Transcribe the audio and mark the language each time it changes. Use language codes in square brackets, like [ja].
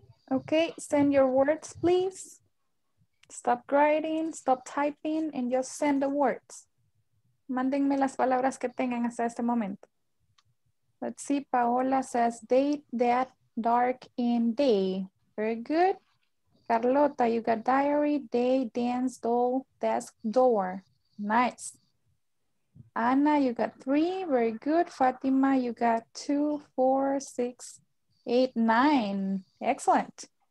[en] Okay, send your words, please. Stop writing, stop typing, and just send the words. [es] Mándenme las palabras que tengan hasta este momento. [en] Let's see, Paola says date, that, dark, and day. Very good. Carlota, you got diary, day, dance, doll, desk, door. Nice. Anna, you got 3. Very good. Fatima, you got 2, 4, 6, 8, 9. Excellent.